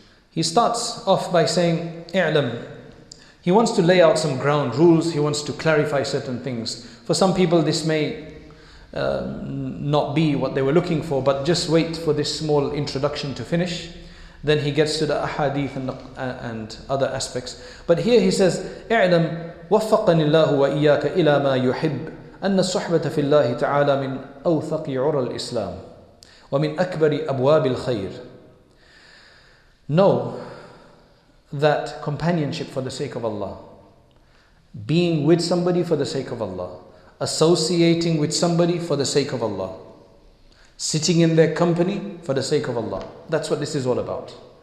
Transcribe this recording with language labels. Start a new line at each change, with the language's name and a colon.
English: He starts off by saying, I'lam. He wants to lay out some ground rules, he wants to clarify certain things. For some people this may not be what they were looking for, but just wait for this small introduction to finish. Then he gets to the ahadith and other aspects. But here he says,
Arabic: اعلم وفقني الله وإياك إلى ما يحب أن الصحبة في الله تعالى من أوثق عرى الإسلام ومن أكبر أبواب الخير.
English: Know that companionship for the sake of Allah, being with somebody for the sake of Allah, associating with somebody for the sake of Allah, sitting in their company for the sake of Allah, that's what this is all about.